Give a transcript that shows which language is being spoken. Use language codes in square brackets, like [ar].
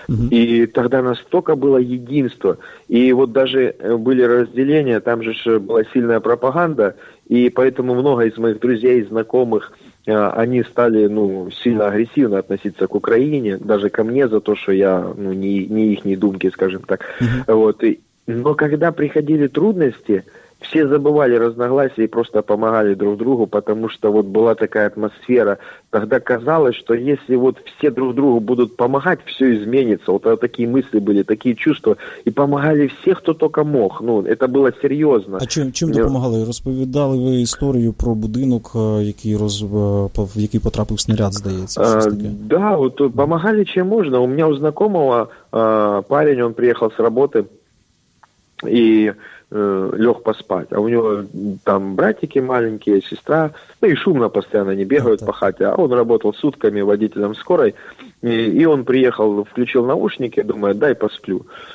[ru] И тогда настолько было единство, и вот даже были разделения, там же была сильная пропаганда, и поэтому много из моих друзей и знакомых, они стали сильно агрессивно относиться к Украине, даже ко мне за то, что я не их думки, скажем так, вот. Но когда приходили трудности, все забывали разногласия и просто помогали друг другу, потому что вот была такая атмосфера. Тогда казалось, что если вот все друг другу будут помогать, все изменится. Вот такие мысли были, такие чувства. И помогали все, кто только мог. Ну, это было серьезно. [uk] А чим допомагали? Розповідали ви історію про будинок, в який потрапив снаряд, здається? [ru] Да, вот помогали чем можно. У меня у знакомого парень, он приехал с работы и лег поспать. А у него там братики маленькие, сестра. Ну и шумно постоянно, они бегают по хате. А он работал сутками водителем скорой. И он приехал, включил наушники, думает, дай посплю.